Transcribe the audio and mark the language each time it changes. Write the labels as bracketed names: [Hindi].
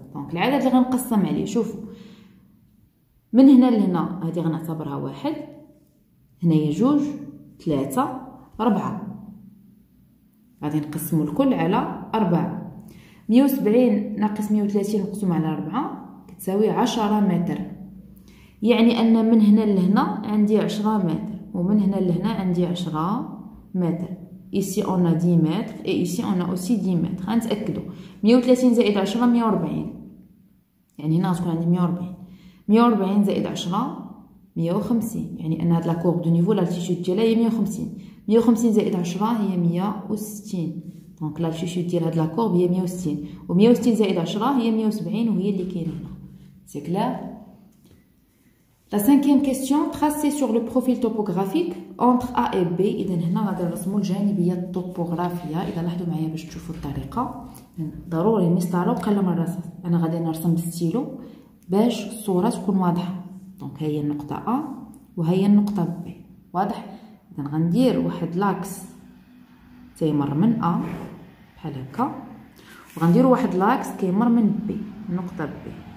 [Arabic] دونك العدد اللي غنقسم عليه، شوفوا من هنا لهنا هادي غنعتبرها واحد، هنايا جوج، ثلاثة، أربعة، غادي نقسمو الكل على أربعة. 170 ناقص 130 مقسوم على أربعة كتساوي 10 متر، يعني أن من هنا لهنا عندي 10 متر، ومن هنا لهنا عندي 10 متر. [French] ici on a 10 متر et ici on a aussi 10 متر. [Arabic] غنتاكدوا 130 زائد 10 140، يعني هنا غتكون عندي 140. 140 زائد 10 150، يعني ان هاد [French] لا كورب دو نيفو لالتيتود [Arabic] ديالها هي 150. 150 زائد 10 هي 160، دونك لالتيتود ديال هاد لا كورب هي 160، و 160 زائد 10 هي 170، وهي اللي كاينه هنا. [French] سي كلير. La cinquième question, tracé sur le profil topographique entre A et B. Et donc, [Arabic] هنا غادي نرسمو الجانبية الطبوغرافية. إذا لاحظوا معايا باش تشوفوا الطريقة، ضروري المسطرة وقلم من الرصاص. أنا غادي نرسم بالستيلو باش الصورة تكون واضحة. دونك هي النقطة A وهي النقطة B، واضح؟ إذا غندير واحد لاكس تيمر من A بحال هكا، وغندير واحد لاكس كيمر من B، النقطة B.